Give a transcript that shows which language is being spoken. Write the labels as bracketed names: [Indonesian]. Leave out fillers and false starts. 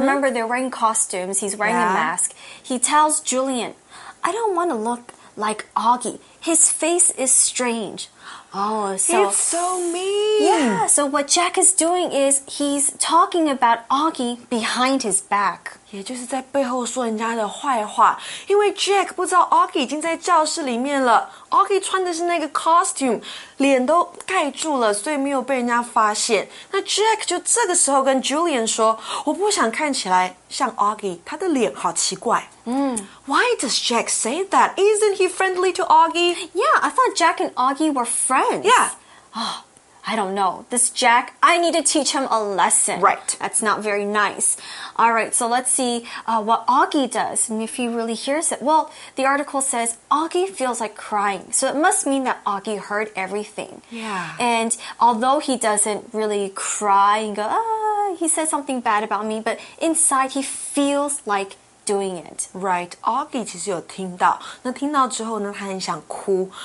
[English] remember, they're wearing costumes. He's wearing、yeah. a mask. He tells Julian, I don't want to look like Augie. His face is strange. Oh, so... It's so mean! Yeah, so what Jack is doing is he's talking about Augie behind his back. [Chinese] 也就是在背后说人家的坏话。因为 Jack 不知道 Augie 已经在教室里面了。Augie 穿的是那个 costume, 脸都盖住了所以没有被人家发现。那 Jack 就这个时候跟 Julian 说我不想看起来像 Augie, 他的脸好奇怪。 [English] Why does Jack say that? Isn't he friendly to Augie? Yeah, I thought Jack and Augie were friends. Yeah. Oh, I don't know, this Jack, I need to teach him a lesson. Right. That's not very nice. All right, so let's see what Augie does and if he really hears it. Well, the article says Augie feels like crying. So it must mean that Augie heard everything. Yeah. And although he doesn't really cry and go, he said something bad about me, but inside he feels like crying. Doing it. [Chinese] Right. Augie 其实有听到。那听到之后呢他很想哭。